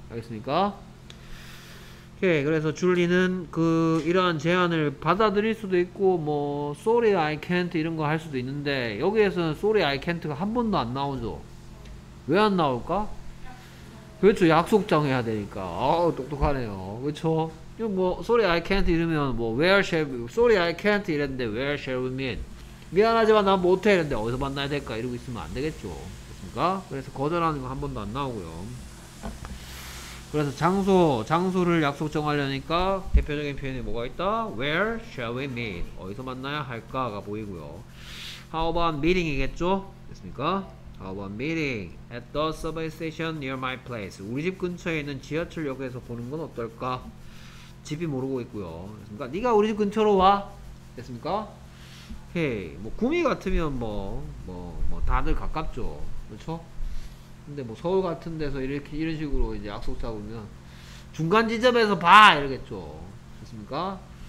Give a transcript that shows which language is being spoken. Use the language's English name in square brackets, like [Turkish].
[Korean] 알겠습니까? 오케이. 그래서 줄리는 그 이러한 제안을 받아들일 수도 있고 뭐 [English] Sorry I can't [Korean] 이런 거 할 수도 있는데 여기에서는 Sorry I can't가 한 번도 안 나오죠. 왜 안 나올까? 그렇죠. 약속장 해야 되니까. 아우 똑똑하네요. 그렇죠. 이거 뭐 [English] sorry I can't [Korean] 이러면 뭐 [English] where shall we, sorry I can't [Korean] 이랬는데 [English] where shall we meet? [Korean] 미안하지만 난 못해 이랬는데 어디서 만나야 될까 이러고 있으면 안 되겠죠. 그렇습니까? 그래서 거절하는 거 한 번도 안 나오고요. 그래서 장소를 약속 정하려니까 대표적인 표현이 뭐가 있다? [English] Where shall we meet? [Korean] 어디서 만나야 할까가 보이고요. [English] How about meeting이겠죠? [Korean] 됐습니까? [English] How about meeting at the subway station near my place? [Korean] 우리 집 근처에 있는 지하철역에서 보는 건 어떨까? 집이 모르고 있고요. 됐습니까? 네가 우리 집 근처로 와. 됐습니까? 오케이. 뭐 구미 같으면 뭐 다들 가깝죠. 그렇죠? 근데 뭐 서울 같은 데서 이렇게 이런 식으로 이제 약속 잡으면 중간 지점에서 봐 이러겠죠. 됐습니까?